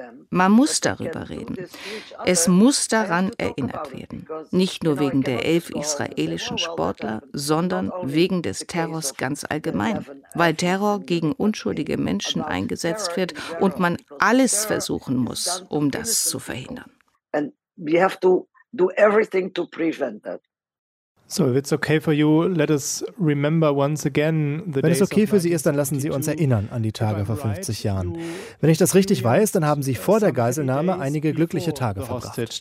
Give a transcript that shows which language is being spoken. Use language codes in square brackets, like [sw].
[de] Man muss darüber reden. Es muss daran erinnert werden. Nicht nur wegen der 11 israelischen Sportler, sondern wegen des Terrors ganz allgemein. Weil Terror gegen unschuldige Menschen eingesetzt wird und man alles versuchen muss, um das zu verhindern. [en] And we have to do everything to prevent that. So, if it's okay for you, let us remember once again the. [de] Wenn es okay für Sie ist, dann lassen Sie uns erinnern an die Tage vor 50 Jahren. Wenn ich das richtig weiß, dann haben Sie vor der Geiselnahme einige glückliche Tage verbracht.